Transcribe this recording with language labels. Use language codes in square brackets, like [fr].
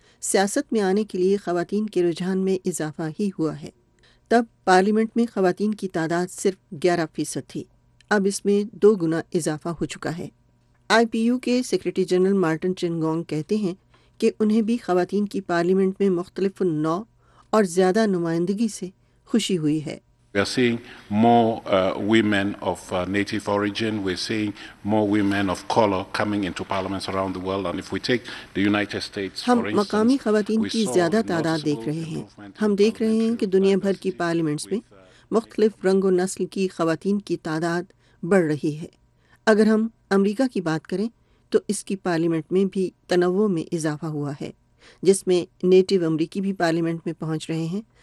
[ur] سیاست میں آنے کے لیے خواتین کے رجحان میں اضافہ ہی ہوا ہے۔ تب پارلیمنٹ میں خواتین کی تعداد صرف 11% تھی، اب اس میں 2 گنا اضافہ ہو چکا ہے۔ آئی پی یو کے سیکرٹری جنرل مارٹن چنگونگ کہتے ہیں کہ انہیں بھی خواتین کی پارلیمنٹ میں مختلف نوع اور زیادہ نمائندگی سے خوشی ہوئی ہے. [en] We are seeing more women of native origin. We are seeing more women of color coming into parliaments around the world. And if we take the United States, [ur] ہم مقامی خواتین کی زیادہ تعداد دیکھ رہے ہیں. ہم دیکھ رہے ہیں کہ دنیا بھر کی پارلیمنٹس میں مختلف رنگ و نسل کی خواتین کی تعداد بڑھ رہی ہے. اگر ہم امریکہ کی بات کریں تو اس کی پارلیمنٹ میں بھی تنوع میں اضافہ ہوا ہے، جس میں نیٹو امریکی بھی پارلیمنٹ میں پہنچ رہے ہیں.